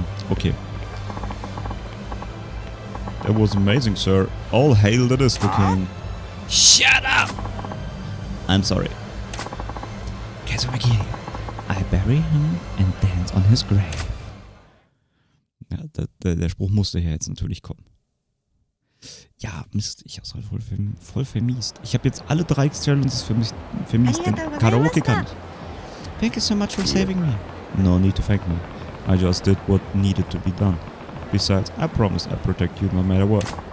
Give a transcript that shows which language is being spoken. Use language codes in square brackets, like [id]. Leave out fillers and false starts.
[en] Okay. That was amazing, sir. All hail the Disco King. Shut up! I'm sorry. Kazumaki, I bury him and dance on his grave. [de] Ja, der Spruch musste hier jetzt natürlich kommen. Ja, Mist, ich hab's halt voll vermiest. Ich hab jetzt alle drei X-Challenges vermiest, den Karaoke kann ich. [en] Thank you so much for saving me. No need to thank me. I just did what needed to be done. Besides, I promise I'll protect you no matter what.